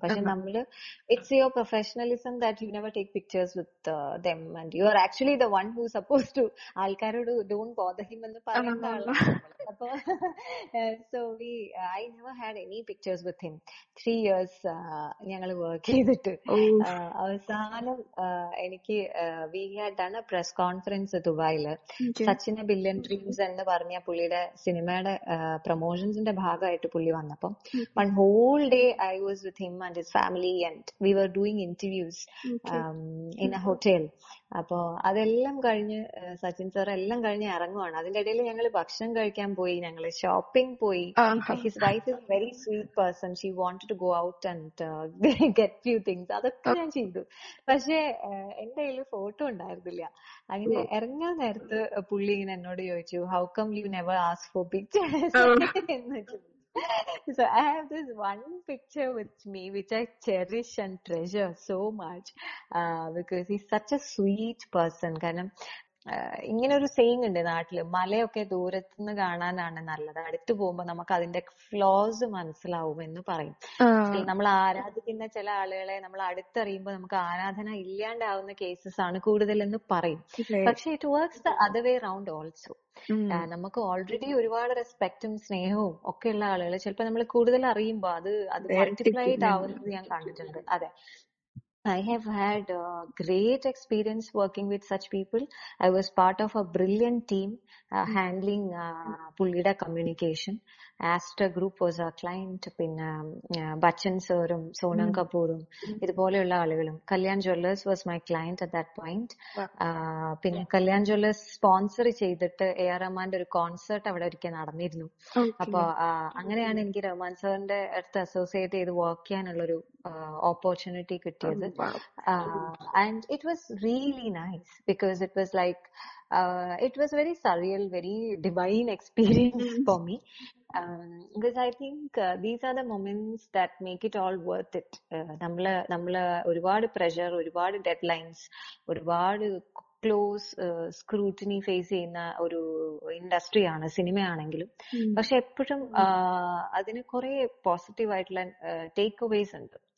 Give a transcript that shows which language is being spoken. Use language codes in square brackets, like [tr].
[ml] Pakshe nammal, [en] it's your professionalism that you never take pictures with them, and you are actually the one who's supposed to [ml] aalkarodu [en] don't bother him [ml] ennu parayunna aalu. [en] So I never had any pictures with him. 3 years [ml] ഞങ്ങള് work ചെയ്തിട്ട് അവസാനം എനിക്ക് [en] we had done a press conference ദുബായില്, സച്ചിന്റെ billion dreams [ml] എന്ന് പറഞ്ഞ പുള്ളിയുടെ സിനിമയുടെ പ്രൊമോഷൻസിന്റെ ഭാഗമായിട്ട് പുള്ളി വന്നപ്പോ [en] One whole day I was with him and his family and we were doing interviews in a hotel. [ml] അപ്പോ അതെല്ലാം കഴിഞ്ഞ് സച്ചിൻ സർ എല്ലാം കഴിഞ്ഞ് ഇറങ്ങുവാണ്. അതിന്റെ ഇടയിൽ ഞങ്ങൾ ഭക്ഷണം കഴിക്കാൻ പോയി, ഞങ്ങൾ ഷോപ്പിംഗ് പോയി. [en] his wife is very sweet person, she wanted to go out and get few things, [ml] അതൊക്കെ ഞാൻ ചെയ്തു. പക്ഷേ എന്റെ കയ്യിൽ ഫോട്ടോ ഉണ്ടായിരുന്നില്ല. അങ്ങനെ ഇറങ്ങാൻ നേരത്ത് പുള്ളി ഇങ്ങനെ എന്നോട് ചോദിച്ചു, [en] how come you never ask for pictures [ml] എന്ന് ചോദിച്ചു. [en] So I have this one picture with me which I cherish and treasure so much because he's such a sweet person. [ml] Kanam ഇങ്ങനൊരു സെയിങ് ഉണ്ട് നാട്ടില്, മലയൊക്കെ ദൂരത്തു നിന്ന് കാണാനാണ് നല്ലത്, അടുത്ത് പോകുമ്പോ നമുക്ക് അതിന്റെ ഫ്ലോസ് മനസ്സിലാവും എന്ന് പറയും. നമ്മൾ ആരാധിക്കുന്ന ചില ആളുകളെ നമ്മൾ അടുത്തറിയുമ്പോൾ നമുക്ക് ആരാധന ഇല്ലാണ്ടാവുന്ന കേസസ് ആണ് കൂടുതലെന്ന് പറയും. പക്ഷെ [en] It works the other way round also. [ml] നമുക്ക് ഓൾറെഡി ഒരുപാട് റെസ്പെക്ടും സ്നേഹവും ഒക്കെ ഉള്ള ആളുകൾ ചിലപ്പോ നമ്മൾ കൂടുതൽ അറിയുമ്പോ അത് മൾട്ടിപ്ലൈഡ് ആവുന്നത് ഞാൻ കണ്ടിട്ടുണ്ട്. അതെ, [en] I have had a great experience working with such people. I was part of a brilliant team handling Pulida communication. Astra Group was our client. [ml] Pinna Bachchan Sirum, Sonam Kapoorum, ഇതുപോലെയുള്ള ആളുകളും. [en] Kalyan Jewelers was my client at that point. [ml] പിന്നെ Kalyan Jewelers sponsor ചെയ്തിട്ട് A R റഹ്മാന്റെ ഒരു concert അവിടെ ഒരിക്കൽ നടന്നിരുന്നു. അപ്പൊ അങ്ങനെയാണ് എനിക്ക് റഹ്മാൻ സാറിന്റെ അടുത്ത് അസോസിയേറ്റ് ചെയ്ത് വർക്ക് ചെയ്യാനുള്ള ഒരു ഓപ്പർച്യൂണിറ്റി കിട്ടിയത്. [en] And it was really nice because it was like it was very surreal, very divine experience for me because I think these are the moments that make it all worth it. [ml] Nammala oruvaad pressure, oruvaad deadlines, oruvaad close scrutiny face ചെയ്യുന്ന ഒരു ഇൻഡസ്ട്രിയാണ് സിനിമയാണെങ്കിലും, പക്ഷെ എപ്പോഴും അതിന് കുറേ positive ആയിട്ടുള്ള take aways ഉണ്ട്.